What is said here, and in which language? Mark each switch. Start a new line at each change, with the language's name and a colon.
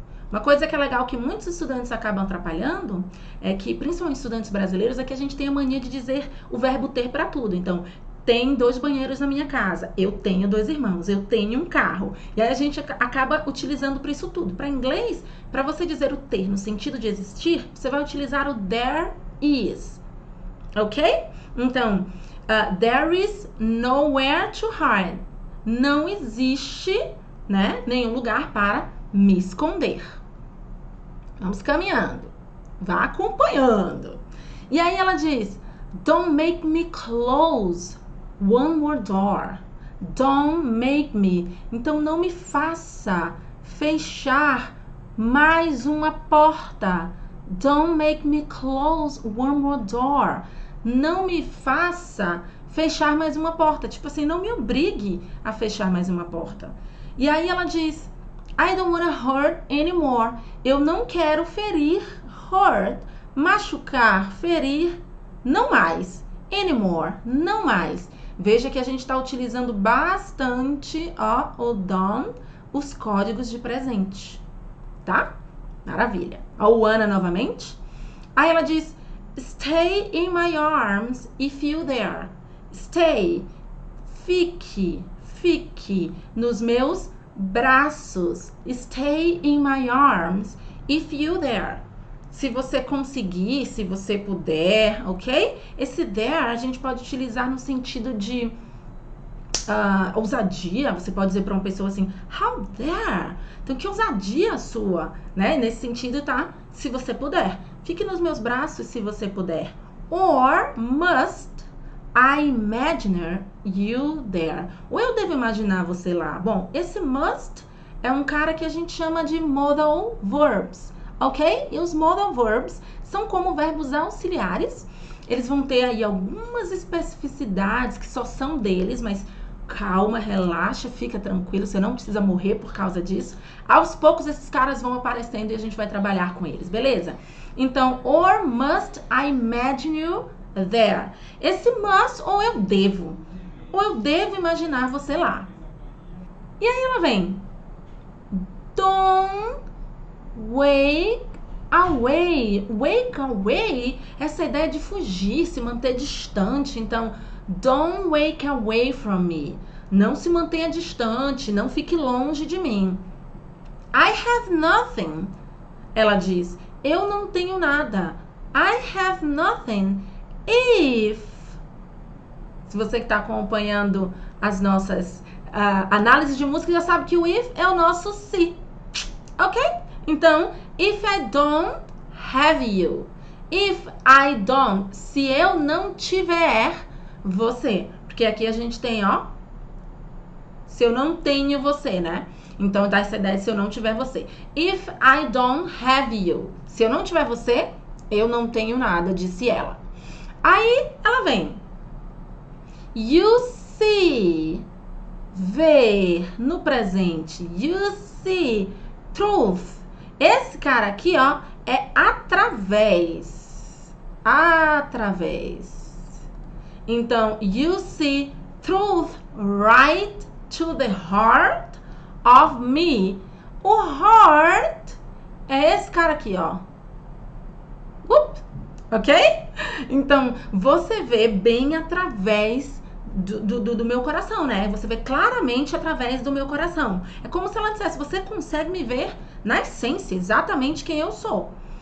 Portuguese: Uma coisa que é legal que muitos estudantes acabam atrapalhando é que, principalmente estudantes brasileiros, é que a gente tem a mania de dizer o verbo ter para tudo. Então, tem dois banheiros na minha casa. Eu tenho dois irmãos. Eu tenho um carro. E aí a gente acaba utilizando para isso tudo. Para inglês, para você dizer o ter no sentido de existir, você vai utilizar o there.
English: Is, ok? Então, there is nowhere to hide.
Portuguese: Não existe, né, nenhum lugar para me esconder. Vamos caminhando, vá acompanhando. E aí ela diz:
English: Don't make me close one more door. Don't make me.
Portuguese: Então, não me faça fechar mais uma porta.
English: Don't make me close one more door.
Portuguese: Não me faça fechar mais uma porta. Tipo assim, não me obrigue a fechar mais uma porta. E aí ela diz,
English: I don't wanna hurt anymore.
Portuguese: Eu não quero ferir, hurt, machucar, ferir, não mais. Anymore, não mais. Veja que a gente está utilizando bastante, ó, o don't, os códigos de presente, tá? Maravilha. A Luana novamente. Aí ela diz:
English: Stay in my arms if you dare. Stay. Fique.
Portuguese: Fique nos meus braços.
English: Stay in my arms if you dare.
Portuguese: Se você conseguir, se você puder, ok? Esse there a gente pode utilizar no sentido de ousadia. Você pode dizer para uma pessoa assim,
English: how dare?
Portuguese: Então, que ousadia sua, né? Nesse sentido, tá? Se você puder. Fique nos meus braços se você puder.
English: Or must I imagine you there?
Portuguese: Ou eu devo imaginar você lá? Bom, esse must é um cara que a gente chama de modal verbs. Ok? E os modal verbs são como verbos auxiliares. Eles vão ter aí algumas especificidades que só são deles, mas calma, relaxa, fica tranquilo, você não precisa morrer por causa disso. Aos poucos esses caras vão aparecendo e a gente vai trabalhar com eles, beleza?
English: Então, or must I imagine you there?
Portuguese: Esse must ou eu devo? Ou eu devo imaginar você lá? E aí ela vem.
English: Don't wake away. Wake away,
Portuguese: essa ideia de fugir, se manter distante.
English: Então, don't wake away from me.
Portuguese: Não se mantenha distante, não fique longe de mim.
English: I have nothing.
Portuguese: Ela diz: eu não tenho nada.
English: I have nothing if.
Portuguese: Se você que está acompanhando as nossas análises de música, já sabe que o if é o nosso se. Ok? Então,
English: if I don't have you, if I don't,
Portuguese: se eu não tiver você, porque aqui a gente tem, ó, se eu não tenho você, né? Então dá essa ideia, se eu não tiver você.
English: If I don't have you,
Portuguese: se eu não tiver você, eu não tenho nada, disse ela. Aí ela vem.
English: You see,
Portuguese: ver no presente.
English: You see, truth.
Portuguese: Esse cara aqui, ó, é através. Através.
English: Então, you see truth right to the heart of me.
Portuguese: O heart é esse cara aqui, ó. Ok? Então, você vê bem através do meu coração, né? Você vê claramente através do meu coração. É como se ela dissesse: você consegue me ver na essência, exatamente quem eu sou.